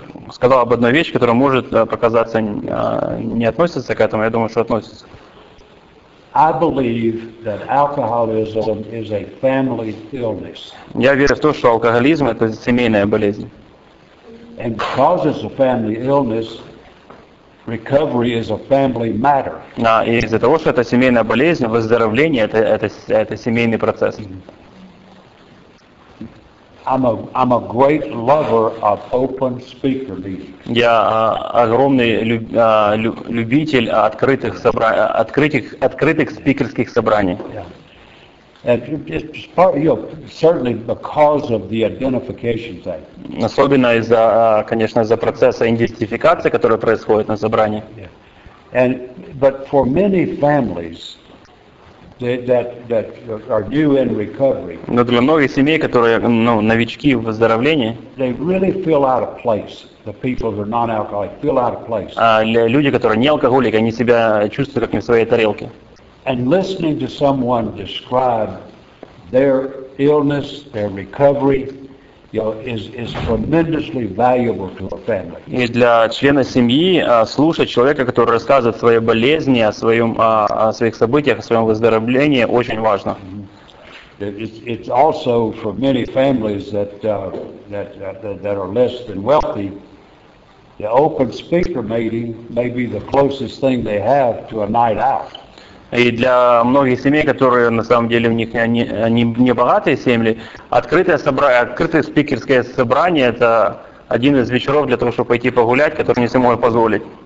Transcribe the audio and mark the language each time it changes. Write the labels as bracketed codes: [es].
[ru] Сказал об одной вещи, которая может показаться не относится к этому, я думаю, что относится. [en] I believe that alcoholism is a family illness. [ru] Я верю в то, что алкоголизм это семейная болезнь. [en] And because it's a family illness, recovery is a family matter. [ru] Да, и из-за того, что это семейная болезнь, выздоровление это семейный процесс. [en] I'm a great lover of open speaker meetings. [ru] Я огромный любитель открытых спикерских собраний. [en] And it's part, certainly because of the identification thing. [ru] Особенно из-за, конечно, из-за процесса идентификации, который происходит на собрании. [en] Yeah. And but for many families that are new in recovery. [ru] Но для многих семей, которые новички в выздоровлении. [en] They really feel out of place. The people who are non-alcoholic feel out of place. [ru] Люди, которые не алкоголики, они себя чувствуют как не в своей тарелке. [en] And listening to someone describe their illness, their recovery, is tremendously valuable to a family. [ru] И для члена семьи слушать человека, который рассказывает свои болезни, о своих событиях, о своем выздоровлении, очень важно. [en] It's also for many families that are less than wealthy. The open speaker meeting may be the closest thing they have to a night out. [ru] И для многих семей, которые на самом деле у них не богатые семьи, открытое спикерское собрание это один из вечеров для того, чтобы пойти погулять, который не все могут позволить.